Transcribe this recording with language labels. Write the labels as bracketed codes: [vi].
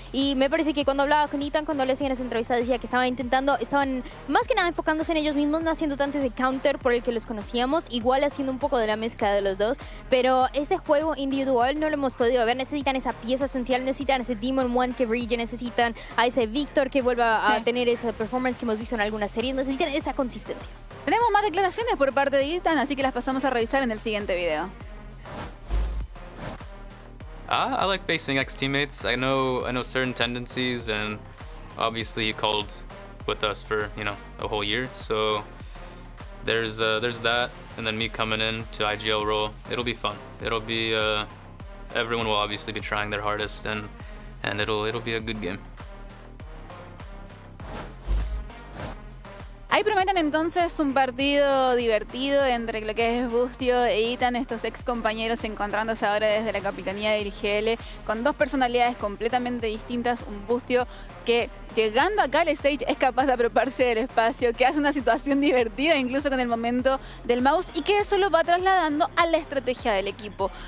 [es] Y me parece que cuando hablaba con Ethan, cuando le hacían esa entrevista, decía que estaban más que nada enfocándose en ellos mismos, no haciendo tanto ese counter por el que los conocíamos, igual haciendo un poco de la mezcla de los dos, pero ese juego individual no lo hemos podido ver. Necesitan esa pieza esencial, necesitan ese Demon One que brille, necesitan a ese Victor que vuelva a tener esa performance que hemos visto en algunas series, necesitan esa consistencia. Tenemos más declaraciones por parte de Ethan, así que las pasamos a revisar en el siguiente video. [en] I like facing ex-teammates. I know certain tendencies, and obviously he called with us for, you know, a whole year. So there's that, and then me coming in to IGL role. It'll be fun. It'll be everyone will obviously be trying their hardest, and it'll be a good game. [es] Ahí prometen entonces un partido divertido entre lo que es Bustio e Ethan, estos ex compañeros encontrándose ahora desde la capitanía de IRGL, con dos personalidades completamente distintas. Un Bustio que, llegando acá al stage, es capaz de apropiarse del espacio, que hace una situación divertida incluso con el momento del mouse, y que eso lo va trasladando a la estrategia del equipo.